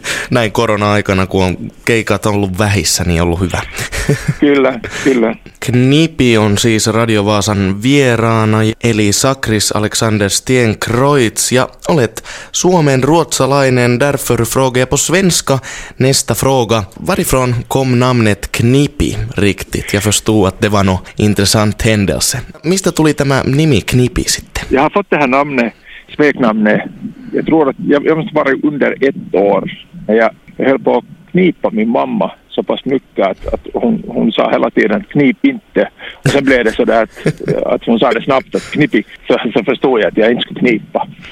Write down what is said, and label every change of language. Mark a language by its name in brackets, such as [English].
[Finnish] Näin korona-aikana, kun on keikat ollut vähissä, niin on ollut hyvä. Kyllä, kyllä. Knipi on siis Radio Vaasan vieraana, eli Sakris Alexander Stenkreutz, ja olet suomen ruotsalainen, [Swedish] därför fråga jag på svenska, nästa fråga. Varifrån kom namnet Knipi riktigt? Jag förstod att det var något intressant händelse. [Finnish] Mistä tuli tämä nimi Knipi sitten? [Swedish] Jag har fått det här namnet, smeknamnet. Jag tror att jag måste vara under ett år. Jag höll på att knipa min mamma så pass mycket att hon sa hela tiden knip inte. Och sen blev det så där att hon sa det snabbt att knipi. Så förstod jag att jag inte skulle knipa.